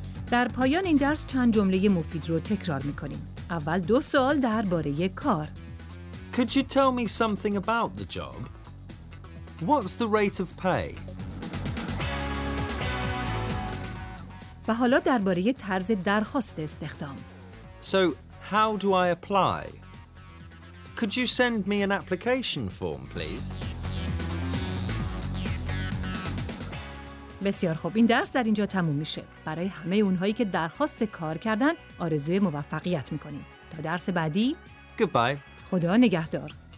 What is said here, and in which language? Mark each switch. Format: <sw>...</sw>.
<fa>در پایان این درس چند جمله مفید رو تکرار می‌کنیم. اول دو سوال درباره کار.</fa> <en>Could you tell me something about the job? What's the rate of pay?</en> <fa>و حالا درباره طرز درخواست استخدام.</fa> <en>So, how do I apply? Could you send me an application form, please?</en> <fa>بسیار خوب، این درس در اینجا تموم میشه. برای همه اونهایی که درخواست کار کردن، آرزوی موفقیت میکنیم. تا درس بعدی،</fa> <en>Goodbye.</en> <fa>خدا نگهدار.</fa>